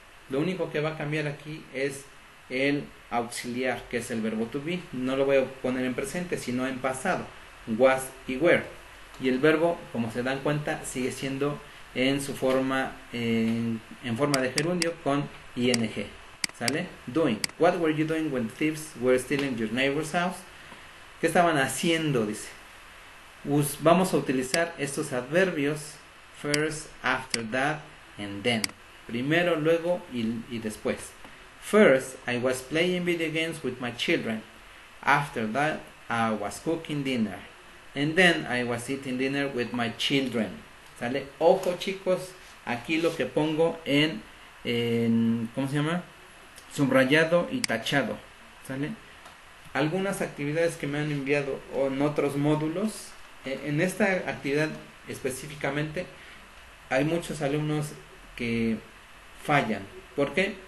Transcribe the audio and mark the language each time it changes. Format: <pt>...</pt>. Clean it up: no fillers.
<es>Lo único que va a cambiar aquí es el auxiliar, que es el verbo to be. No lo voy a poner en presente, sino en pasado. Was y were. Y el verbo, como se dan cuenta, sigue siendo en su forma, en forma de gerundio con ing. ¿Sale? Doing.</es> <en>What were you doing when thieves were stealing your neighbor's house?</en> <es>¿Qué estaban haciendo? Dice. Vamos a utilizar estos adverbios.</es> <en>First, after, that, and then.</en> <es>Primero, luego y después.</es> <en>First, I was playing video games with my children. After that, I was cooking dinner. And then, I was eating dinner with my children.</en> <es>¿Sale? Ojo, chicos, aquí lo que pongo en ¿cómo se llama? Subrayado y tachado. ¿Sale? Algunas actividades que me han enviado en otros módulos. En esta actividad específicamente, hay muchos alumnos que fallan. ¿Por qué?</es>